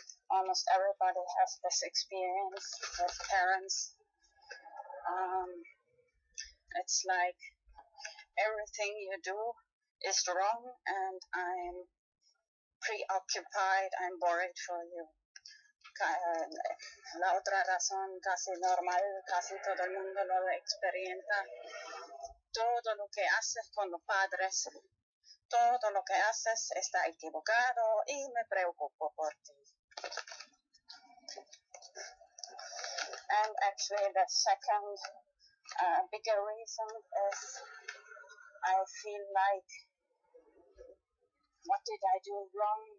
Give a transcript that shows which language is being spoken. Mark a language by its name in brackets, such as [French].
[English] Almost everybody has this experience with parents. It's like everything you do is wrong, and I'm preoccupied, I'm worried for you. [Spanish] La otra razón casi normal, casi todo el mundo lo experimenta. Todo lo que haces con los padres, todo lo que haces está equivocado y me preocupo por ti. [English] And actually the second bigger reason is I feel like, what did I do wrong?